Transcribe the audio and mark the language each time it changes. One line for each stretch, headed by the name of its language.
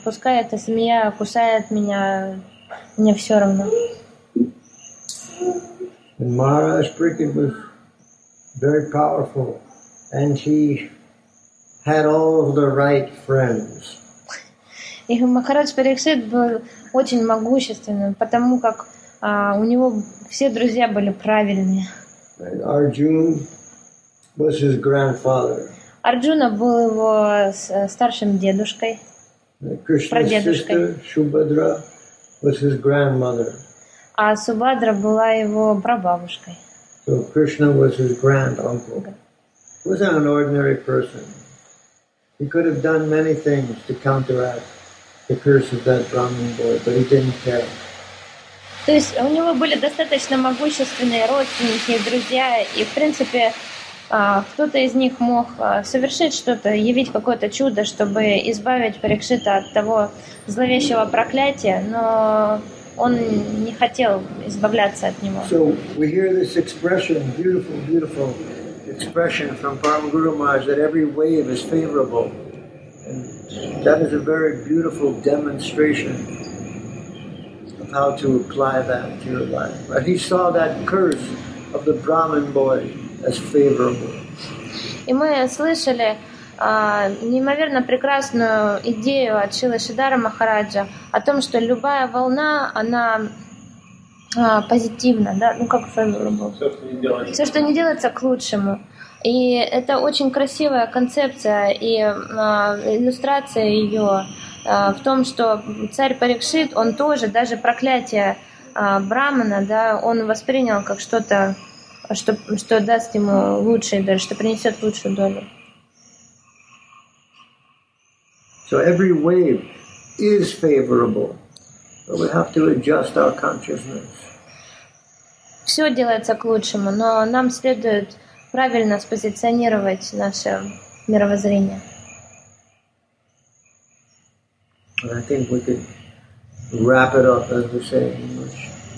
Russian: Пускай эта змея кусает меня, мне все равно.
English: And Maharaj Prickett was very powerful, and he had all of the right friends.
Russian: И Махарадж Парикшит был очень могущественным, потому как у него все друзья были правильные.
English: Arjun was his grandfather.
Russian: Арджуна был его старшим дедушкой, прадедушкой.
English: Krishna's sister, Subhadra, was his grandmother.
Russian: А Субхадра была его прабабушкой.
English: So Krishna was his granduncle. He was not an ordinary person. He could have done many things to counteract the curse of that Brahmin boy, but he didn't care.
Russian: То есть у него были достаточно могущественные родственники, друзья, и в принципе кто-то из них мог совершить что-то, явить какое-то чудо, чтобы избавить Парикшита от того зловещего проклятия, но он не хотел избавляться от него.
English: So we hear this expression, beautiful, beautiful expression from Param Guru Maharaj that every wave is favorable. And that is a very beautiful demonstration of how to apply that to your life. But he saw that curse of the Brahmin boy as favorable.
Russian: И мы слышали неимоверно прекрасную идею от Шрилы Шридхара Махараджа о том, что любая волна, она позитивна, да? Ну, как favorable. Все, что не делается, к лучшему. И это очень красивая концепция и иллюстрация ее в том, что царь Парикшит, он тоже, даже проклятие Брамана, да, он воспринял как что-то, что даст ему лучшее, даже, что принесет лучшую долю.
English: So every wave is favorable, but we have to adjust our consciousness.
Russian: Все делается к лучшему, но нам следует правильно спозиционировать наше мировоззрение.
English: And I think we could wrap it up, as we say in English.